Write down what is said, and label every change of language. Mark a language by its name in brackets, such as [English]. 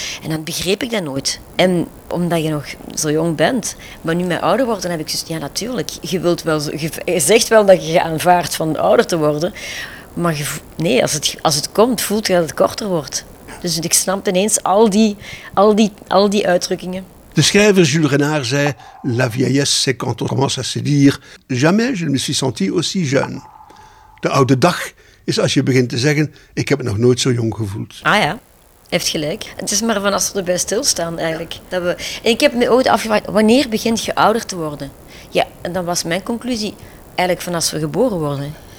[Dutch] En dan begreep ik dat nooit. En omdat je nog zo jong bent, maar nu met ouder wordt, dan heb ik zoiets ja natuurlijk, je zegt wel dat je aanvaardt van ouder te worden, maar als het komt, voelt je dat het korter wordt. Dus ik snap ineens al die uitdrukkingen. De schrijver Jules Renard zei: [French] La vieillesse, c'est quand on commence à se dire: Jamais je ne me suis senti aussi jeune. [Dutch] De oude dag is als je begint te zeggen: Ik heb het nog nooit zo jong gevoeld. Ah ja, heeft gelijk. Het is maar van als we erbij stilstaan eigenlijk. Ja. Dat we... En ik heb me ooit afgevraagd: Wanneer begint je ouder te worden? Ja, en dan was mijn conclusie eigenlijk van als we geboren worden.